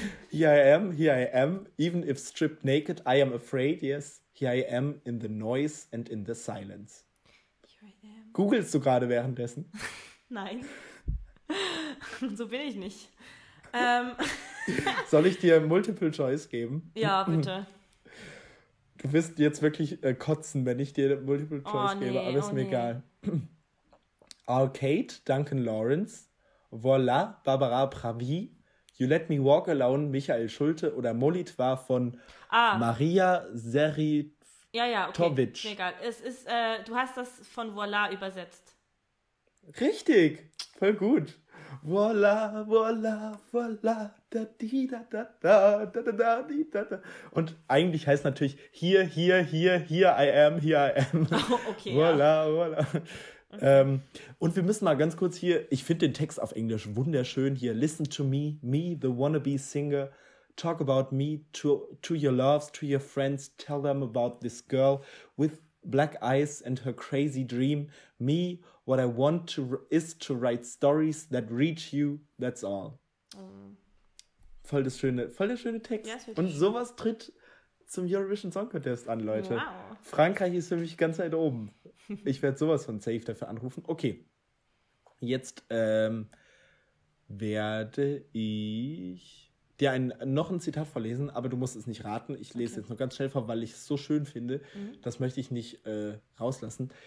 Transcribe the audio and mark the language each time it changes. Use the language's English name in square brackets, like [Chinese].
[English] Here I am, even if stripped naked, I am afraid, yes. Here I am in the noise and in the silence. Here I am. [German] Googlest du gerade währenddessen? Nein. So bin ich nicht. Soll ich dir Multiple Choice geben? Ja, bitte. Du wirst jetzt wirklich kotzen, wenn ich dir Multiple Choice gebe, aber ist mir egal. Arcade, Duncan Lawrence. Voila, Barbara Pravi. You Let Me Walk Alone, Michael Schulte oder Molitva von Maria Seritovic. Ja, ja, okay. Egal. Es ist, du hast das von Voila übersetzt. Richtig. Voll gut. Voila, voila, voila. Da, di, da, da, da, da, da, da, di, da, da. Und eigentlich heißt es natürlich [English] here I am. [German] Okay. Voila, ja. Voila. Okay. Und wir müssen mal ganz kurz hier, ich finde den Text auf Englisch wunderschön hier. [English] Listen to me, me, the wannabe singer. Talk about me to your loves, to your friends. Tell them about this girl with black eyes and her crazy dream. Me, what I want to is to write stories that reach you, that's all. Mhm. [German] Voll der schöne Text. Ja, und sowas tritt zum Eurovision Song Contest an, Leute. Wow. Frankreich ist für mich ganz weit oben. Ich werde sowas von safe dafür anrufen. Okay, jetzt werde ich dir noch ein Zitat vorlesen, aber du musst es nicht raten. Ich lese jetzt nur ganz schnell vor, weil ich es so schön finde. Mhm. Das möchte ich nicht rauslassen.